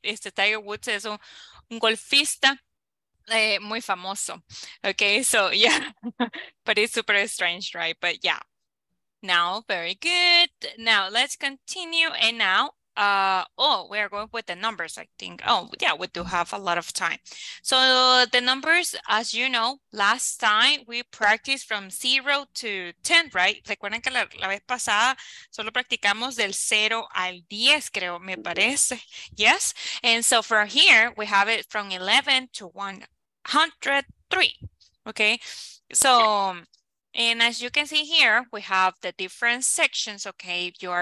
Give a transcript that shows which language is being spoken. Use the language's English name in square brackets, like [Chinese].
[Spanish] Este Tiger Woods es un golfista muy famoso. [English] Okay, so yeah, but it's super strange, right? But yeah, now, very good. Now, let's continue, and now, we are going with the numbers, I think. Oh, yeah, we do have a lot of time. So the numbers, as you know, last time we practiced from 0 to 10, right? [Spanish] Recuerden que la vez pasada solo practicamos del 0 al 10, creo, me parece. [English] Yes? And so from here, we have it from 11 to 103, okay? So... And as you can see here, we have the different sections, okay?